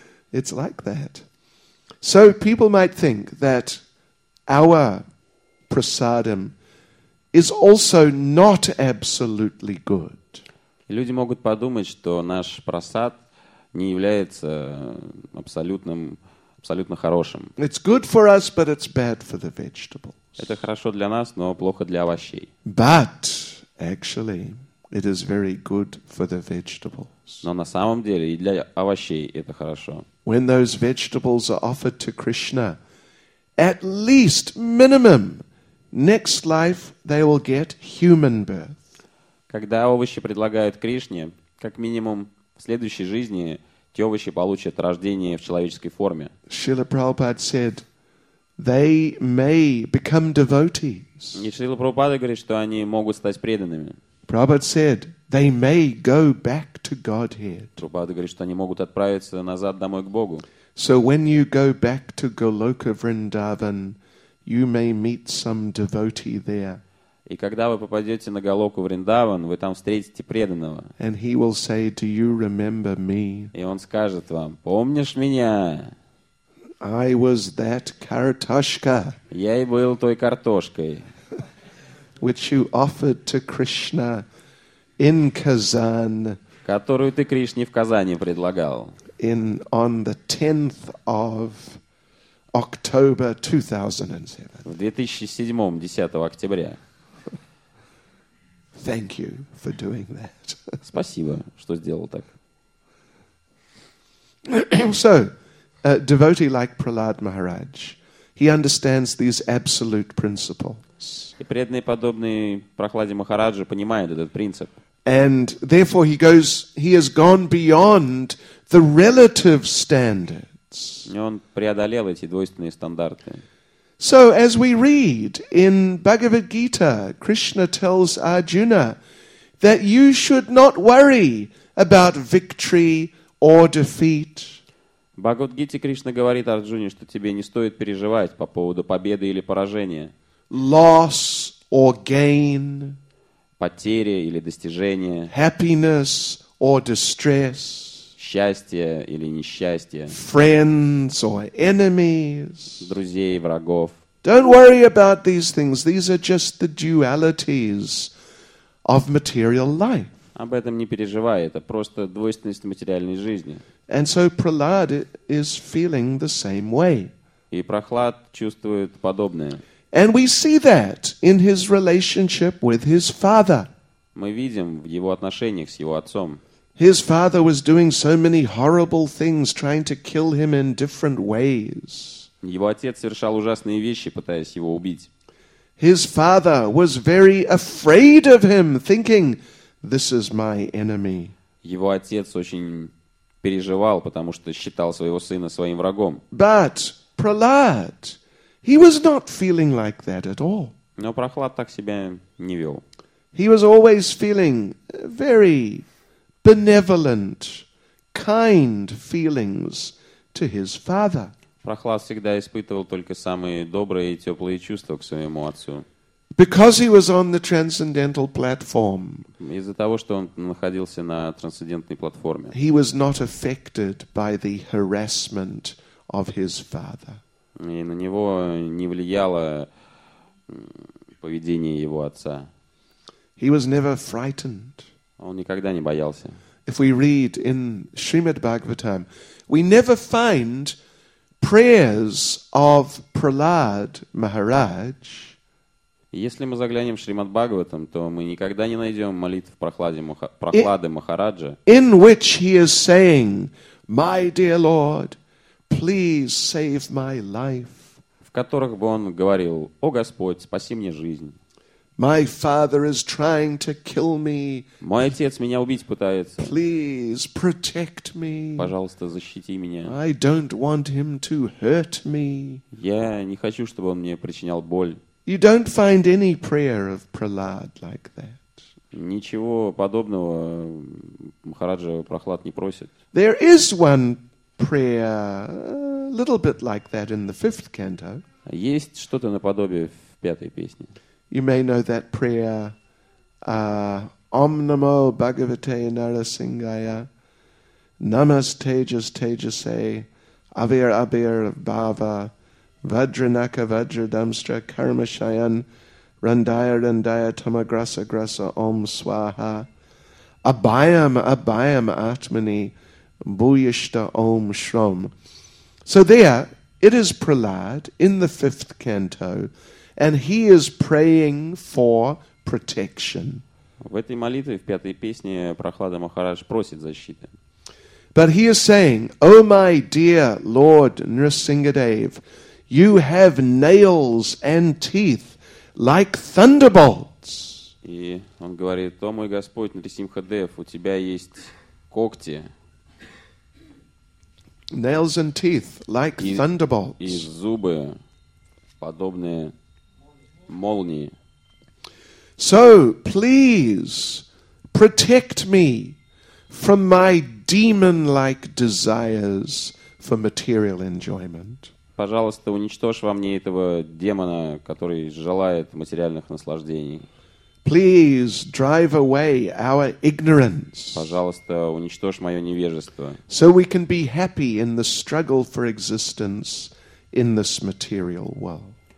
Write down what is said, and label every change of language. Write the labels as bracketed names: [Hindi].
[English] It's like that. So people might think that our prasadam is also not absolutely good. [Russian] Люди могут подумать, что наш просад не является абсолютно хорошим. [English] It's good for us, but it's bad for the vegetables. [Russian] Это хорошо для нас, но плохо для овощей. [English] But actually, it is very good for the vegetables. [Russian] Но на самом деле и для овощей это хорошо. [English] When those vegetables are offered to Krishna, at least minimum next life they will get human birth. [Russian] Когда овощи предлагают Кришне, как минимум в следующей жизни те овощи получат рождение в человеческой форме. [English] Шрила Прабхупада said they may become devotees. [Russian] И Шрила Прабхупада говорит, что они могут стать преданными. [English] Prabhupada said they may go back to Godhead. [Russian] Прабхупада говорит, что они могут отправиться назад домой к Богу. [English] So when you go back to Goloka Vrindavan, you may meet some devotee there. [Russian] И когда вы попадете на Голоку Вриндаван, вы там встретите преданного. [English] And he will say, "Do you remember me?" [Russian] И он скажет вам: "Помнишь меня?" [English] I was that картошка. [Russian] Я и был той картошкой. [English] Which you offered to Krishna in Kazan. [Russian] Которую ты Кришне в Казани предлагал. [English] In on the 10th of October 2007. [Russian] В 2007, 10 октября. [English] Thank you for doing that. [Russian] Спасибо, что сделал так. [English] So, a devotee like Prahlad Maharaj, he understands these absolute principles. [Russian] И преданный подобный Прахладе Махараджу понимает этот принцип. [English] And therefore he has gone beyond the relative standard. [Russian] И он преодолел эти двойственные стандарты. [English] So, as we read in Bhagavad Gita, Krishna tells Arjuna that you should not worry about victory or defeat. [Russian] В Бхагавад Гите Кришна говорит Арджуне, что тебе не стоит переживать по поводу победы или поражения. [English] Loss or gain. [Russian] Потери или достижения. [English] Happiness or distress. [Russian] Счастье или несчастье. [English] Friends or enemies. [Russian] Друзей и врагов. [English] Don't worry about these things. These are just the dualities of material life. [Russian] Об этом не переживай. Это просто двойственность материальной жизни. [English] And so Prahlad is feeling the same way. [Russian] И Прохлад чувствует подобное. [English] And we see that in his relationship with his father. [Russian] Мы видим в его отношениях с его отцом. [English] His father was doing so many horrible things, trying to kill him in different ways. [Russian] Его отец совершал ужасные вещи, пытаясь его убить. [English] His father was very afraid of him, thinking, "This is my enemy." [Russian] Его отец очень переживал, потому что считал своего сына своим врагом. [English] But Prahlad, he was not feeling like that at all. [Russian] Но Прохлад так себя не вел. [English] He was always feeling very benevolent, kind feelings to his father. [Russian] Прохлад всегда испытывал только самые добрые и теплые чувства к своему отцу. [English] Because he was on the transcendental platform. [Russian] Из-за того, что он находился на трансцендентной платформе. [English] He was not affected by the harassment of his father. [Russian] И на него не влияло поведение его отца. [English] He was never frightened. [Russian] Он никогда не боялся. [English] if we read in Srimad Bhagavatam, we never find prayers of Prahlad Maharaj. [Russian] Если мы заглянем в Шримад Бхагаватам, то мы никогда не найдем молитв Прахлады Махараджа, [English] in which he is saying, "My dear Lord, please save my life." [Russian] В которых бы он говорил: "О Господь, спаси мне жизнь." [English] "My father is trying to kill me." [Russian] Мой отец меня убить пытается. [English] "Please protect me." [Russian] Пожалуйста, защити меня. [English] "I don't want him to hurt me." [Russian] Я не хочу, чтобы он мне причинял боль. [English] You don't find any prayer of Prahlad like that. [Russian] Ничего подобного Махараджа Прахлад не просит. [English] There is one prayer a little bit like that in the fifth canto. [Russian] Есть что-то наподобие в пятой песне. [English] You may know that prayer, [Sanskrit] Om Namo Bhagavate Narasingaya, Namaste Tejas Tejase, Avir Abir Bhava, Vajranaka Vajradamstra Karmashayan Randaya Randaya Tamagrasa Grasa Om Swaha Abhayam Abhayam Atmani Bhuyishta Om Shrom. [English] So there, it is Prahlad in the fifth canto, and he is praying for protection. [Russian] В этой молитве, в пятой песне, Прахлада Махарадж просит защиты. [English] But he is saying, O my dear Lord Nrisingadev, you have nails and teeth like thunderbolts. [Russian] И он говорит: "О мой Господь Нрисимхадев, у тебя есть когти." [English] Nails and teeth like thunderbolts. [Russian] И зубы подобные молнии. [English] So please protect me from my demon-like desires for material enjoyment. [Russian] Пожалуйста, уничтожь во мне этого демона, который желает материальных наслаждений. [English] Please drive away our ignorance. [Russian] Пожалуйста, уничтожь мое невежество. [English] So we can be happy in the struggle for existence in this material world.